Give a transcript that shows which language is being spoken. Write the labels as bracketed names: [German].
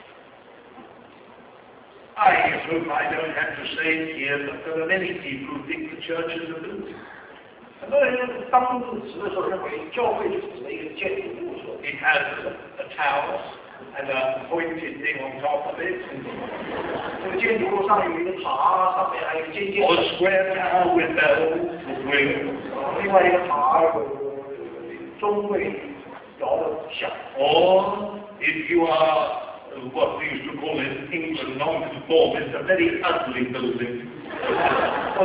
[English] I hope I don't have to say it here, but there are many people who think the church is a building. [Chinese] 很多人当这个词的时候认为教会就是一个建筑物所。 [English] It has a tower and a pointed thing on top of it. [Chinese] 这个建筑物上有一个塔，上面还有尖尖。 [English] Or a square tower with bells and wings. [Chinese] 另外一个塔，钟位。 [English] Or if you are what we used to call in England non-conformist, a very ugly building.